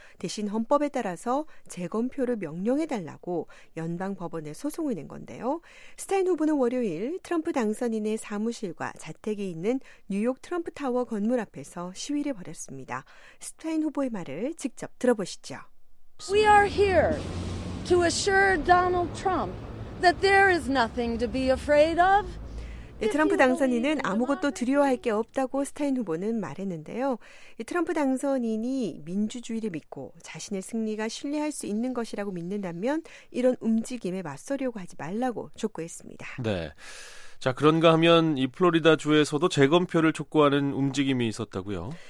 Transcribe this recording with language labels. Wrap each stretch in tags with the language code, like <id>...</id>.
<ko>대신 헌법에 따라서 재검표를 명령해달라고 연방법원에 소송을 낸 건데요. 스타인 후보는 월요일 트럼프 당선인의 사무실과 자택이 있는 뉴욕 트럼프 타워 건물 앞에서 시위를 벌였습니다. 스타인 후보의 말을 직접 들어보시죠.</ko> <en>We are here to assure Donald Trump that there is nothing to be afraid of.</en> <ko>네, 트럼프 당선인은 아무것도 두려워할 게 없다고 스타인 후보는 말했는데요. 트럼프 당선인이 민주주의를 믿고 자신의 승리가 신뢰할 수 있는 것이라고 믿는다면 이런 움직임에 맞서려고 하지 말라고 촉구했습니다. 네. 자, 그런가 하면 이 플로리다 주에서도 재검표를 촉구하는 움직임이 있었다고요?</ko>